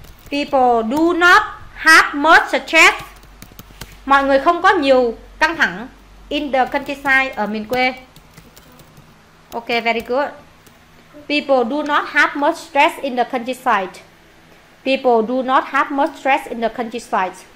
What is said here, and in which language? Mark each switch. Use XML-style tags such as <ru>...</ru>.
<en>People do not have much stress.</en> <vi>Mọi người không có nhiều căng thẳng</vi> <en>in the countryside,</en> <vi>ở miền quê.</vi> <en>Ok, very good. People do not have much stress in the countryside. People do not have much stress in the countryside.</en>